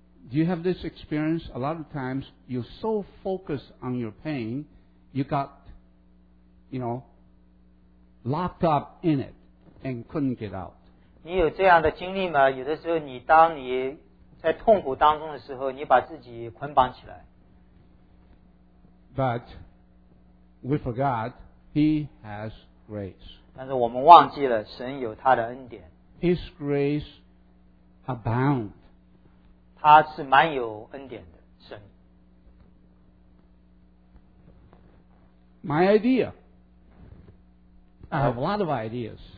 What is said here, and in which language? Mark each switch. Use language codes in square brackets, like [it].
[en] Do you have this experience? A lot of times, you're so focused on your pain, you got, you know, locked up in it and couldn't get out. [zh] 你有这样的经历吗？有的时候，你当你在痛苦当中的时候，你把自己捆绑起来。 [en] But we forgot he has grace. [zh] 但是我们忘记了神有他的恩典。 [en] His grace abound. [zh] 他是蛮有恩典的神。 [en] My idea. I have a lot of ideas.